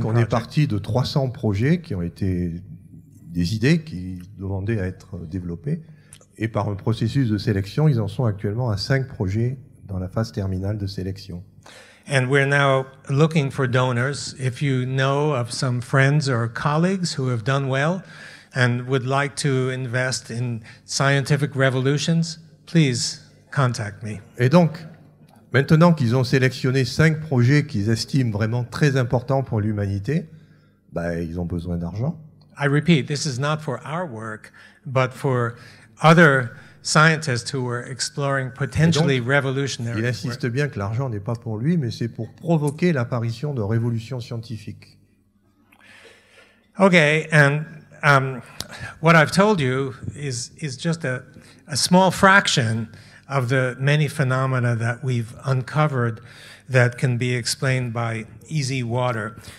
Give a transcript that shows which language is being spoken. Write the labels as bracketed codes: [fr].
[fr] Donc on est parti de 300 projets qui ont été des idées qui demandaient à être développées et par un processus de sélection, ils en sont actuellement à 5 projets dans la phase terminale de sélection. [en] And we're now looking for donors. If you know of some friends or colleagues who have done well and would like to invest in scientific revolutions, please contact me. [fr] Et donc, maintenant qu'ils ont sélectionné 5 projets qu'ils estiment vraiment très importants pour l'humanité, ils ont besoin d'argent. [en] I repeat, this is not for our work, but for other scientists who are exploring potentially [fr] donc, [en] revolutionary. [fr] Il insiste bien que l'argent n'est pas pour lui, mais c'est pour provoquer l'apparition de révolutions scientifiques. [en] Okay, and what I've told you is just a small fraction of the many phenomena that we've uncovered that can be explained by easy water.